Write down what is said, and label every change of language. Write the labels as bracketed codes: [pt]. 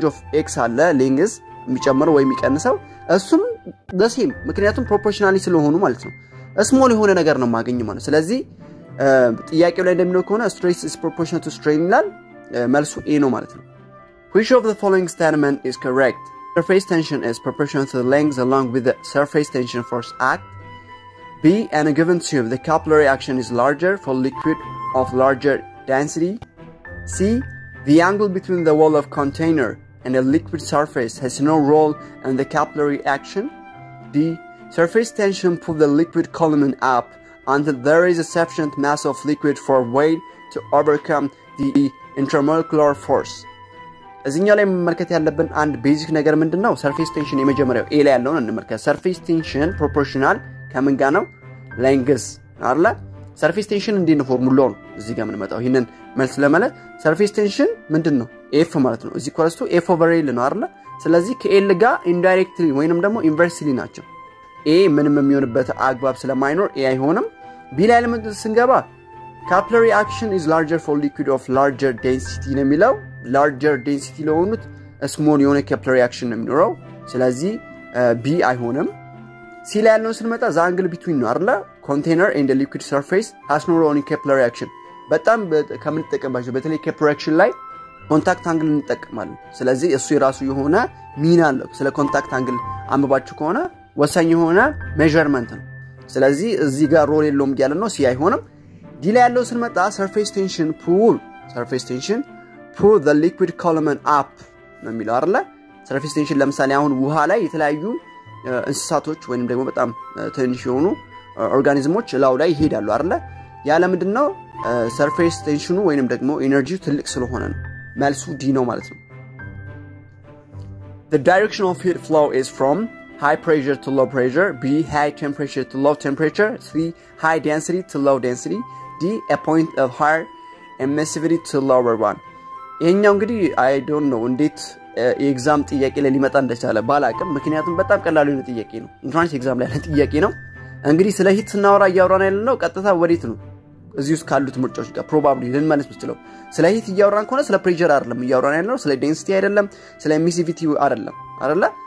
[am] ቼንጅ ኦፍ ኤክስ አለ ሊንግስ የሚጨምረው ወይም የሚቀንሰው እሱም ደሴም ምክንያቱም ፕሮፖርሽናሊ ስለሆነ ማለት ነው። ስሞል የሆነ ነገር ነው ማገኘው ማለት። ስለዚህ ጥያቄው ላይ እንደምነው ከሆነ ስትሬስ ኢስ ፕሮፖርሽናል ቱ ስትሬን ይላል። መልሱ ኤ ነው ማለት ነው። [en] Which of the following statement is correct? Surface tension is proportional to the length along with the surface tension force act. B. In a given tube the capillary action is larger for liquid of larger density. C. The angle between the wall of container and a liquid surface has no role in the capillary action. D. Surface tension pull the liquid column up until there is a sufficient mass of liquid for weight to overcome the intramolecular force. [am] እዚህኛው ላይ መመልከት ያለብን አንድ ቤዚክ ነገር ምንድነው? Surface tension የመጀመሪያው ኤ ላይ ያለውን እንመልከት። Surface tension proportional ከምን ጋር ነው? Length አይደል? surface tension እንደነ ፎርሙላው እዚህ ጋር ምንመጣው ይሄንን መልስ ለማለት surface tension ምንድነው? f ማለት ነው። እዚህ ኮረስቱ f over l ነው አይደል? ስለዚህ ከl ጋር indirectly ወይንም ደግሞ inversely ናቸው። a ምንም የሚሆንበት አግባብ ስለማይኖር a አይሆንም። b ላይ ለምን ስንገባ [en] capillary action is larger for liquid of larger density [am] ነው የሚለው። larger density ለሆኑት small የሆነ capillary action ነው የሚኖረው። ስለዚህ b አይሆንም። c ላይ ያለውን ስንመጣ [en] the angle between [am] ነው አይደል? [en] container and the liquid surface has no role in capillary action. [am] በጣም ከምን ተቀምባችሁ በተለይ capillary action ላይ contact angle እንጠቀማለን። ስለዚህ እሱ የራሱ የሆነ ሚና አለው። ስለ contact angle አንብባችሁ ከሆነ ወሳኝ የሆነ measurement ነው። ስለዚህ እዚህ ጋር role የለውም ይላል ነው ሲያይ ሆነም። ዲ ላይ ያለው ስንመጣ surface tension pull surface tension [en] pull the liquid column up [am] ነው የሚለው አይደል? surface tension ለምሳሌ አሁን ውሃ ላይ የተለያዩ እንስሳቶች ወይንም ደግሞ በጣም ትንሽ የሆኑ ኦርጋኒዝሞች ላው ላይ ይሄዳሉ አይደል? ያ ለምንድነው surface tensionው ወይንም ደግሞ energyው ትልቅ ስለሆነ ነው። መልሱ D ነው ማለት ነው። [en] The direction of heat flow is from high pressure to low pressure, B, high temperature to low temperature, C, high density to low density, D, a point of higher emissivity to lower one. [am] እኛ እንግዲህ [en] አይ ዶንት ኖ [am] እንዴት ኤግዛም ጥያቄ ለሊመጣ እንደቻለ ባላቀም ምክንያቱም በጣም ቀላል የሆነ ጥያቄ ነው። እንትራንስ ኤግዛም ላይ ያለ ጥያቄ ነው። እንግዲህ ስለ ሂት እናወራ ያያውራን ያለ ነው ቀጥታ ወዴት ነው? እዚህ ውስጥ ካሉት ምርጫዎች ጋር ፕሮባብሊቲ ለምን ማለት ብትለው ስለ ሂት ያያውራን ከሆነ ስለ ፕሬሸር አይደለም ያያውራን ያለ ነው። ስለ ዴንሲቲ አይደለም፣ ስለ ኤሚሲቪቲ አይደለም አይደለ?